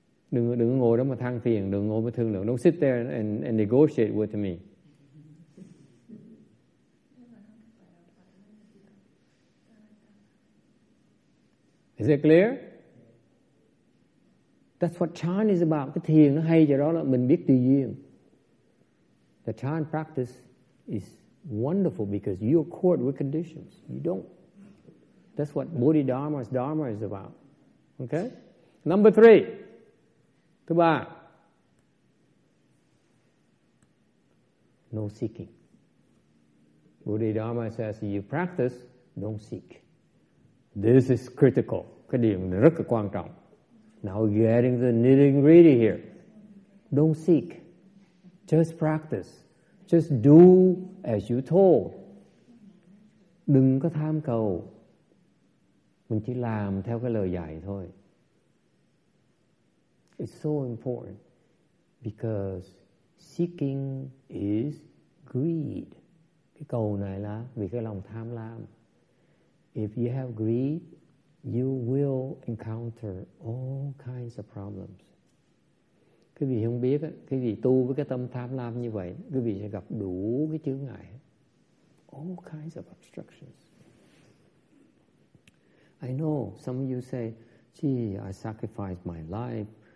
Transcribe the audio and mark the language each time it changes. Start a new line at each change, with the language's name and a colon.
Vietnamese: Đừng ngồi đó mà than phiền, đừng ngồi mà thương lượng.
English: Don't sit there and negotiate with me. Is it clear? That's what chan is about.
Vietnamese: Cái thiền nó hay cho đó là mình biết tùy duyên.
English: The chan practice is wonderful because you accord with conditions. You don't. That's what Bodhidharma's Dharma is about. Okay? Number three.
Vietnamese: Thứ ba.
English: No seeking. Bodhidharma says you practice, don't seek. This is critical.
Vietnamese: Cái điểm rất là quan trọng.
English: Now getting the nitty gritty here. Don't seek. Just practice. Just do as you told.
Vietnamese: Đừng có tham cầu. Mình chỉ làm theo cái lời dạy thôi.
English: It's so important because seeking is greed.
Vietnamese: Cái cầu này là vì cái lòng tham lam.
English: If you have greed, you will encounter all kinds of problems.
Vietnamese: Quý vị không biết, quý vị tu với cái tâm tham lam như vậy, quý vị sẽ gặp đủ cái chướng ngại.
English: All kinds of obstructions. I know some of you say, gee, I sacrificed my life.